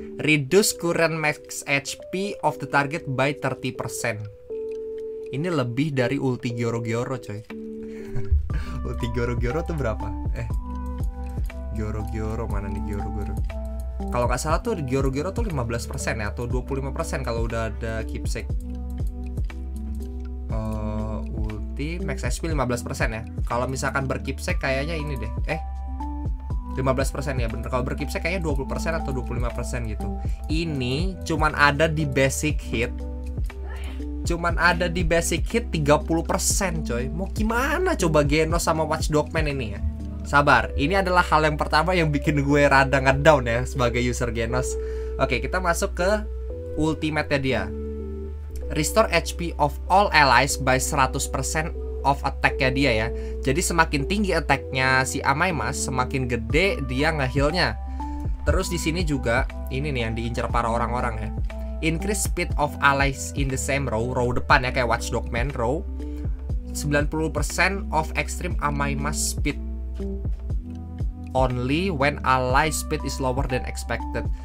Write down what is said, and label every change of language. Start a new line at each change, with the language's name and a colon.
English: Reduce current max HP of the target by 30%.
Indonesian: Ini lebih dari ulti Gyoro-Gyoro, coy. Ulti Gyoro-Gyoro tuh berapa? Gyoro-Gyoro, mana nih Gyoro-Gyoro? Kalau gak salah tuh Gyoro-Gyoro tuh 15% ya, atau 25% kalau udah ada keepsake. Ulti max HP 15% ya. Kalau misalkan berkeepsake kayaknya ini deh. 15% ya, bener. Kalau berkeepsake kayaknya 20% atau 25% gitu. Ini cuman ada di basic hit. Cuman ada di basic hit 30%, coy. Mau gimana coba Genos sama Watchdog Man ini ya? Sabar, ini adalah hal yang pertama yang bikin gue rada ngedown ya sebagai user Genos. Oke, kita masuk ke ultimate-nya dia.
English: Restore HP of all allies by 100% of attack-nya dia
Indonesian: ya. Jadi semakin tinggi attack-nya si Amaimas, semakin gede dia nge-heal-nya. Terus di sini juga, ini nih yang diincar para orang-orang ya.
English: Increase speed of allies in the same row,
Indonesian: row depan ya,
English: kayak Watchdog Man row. 90% of extreme Amaimas speed only when ally speed is lower than expected.